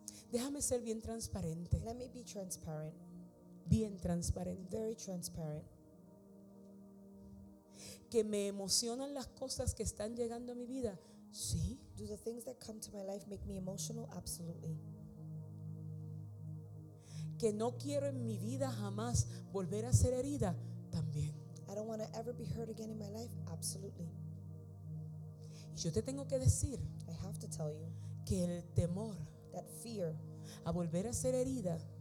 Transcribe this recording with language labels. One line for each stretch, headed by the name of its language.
Spanish: Déjame ser bien transparente.
English: Let me be transparent.
Spanish: Bien transparente.
English: Very transparent.
Spanish: Que me emocionan las cosas que están llegando a mi vida. Sí.
English: Do the things that come to my life make me emotional? Absolutely.
Spanish: Que no quiero en mi vida jamás volver a ser herida. También.
English: I don't want to ever be hurt again in my life? Absolutely.
Spanish: Y yo te tengo que decir.
English: I have to tell you.
Spanish: Que el temor.
English: That fear.
Spanish: A volver a ser herida.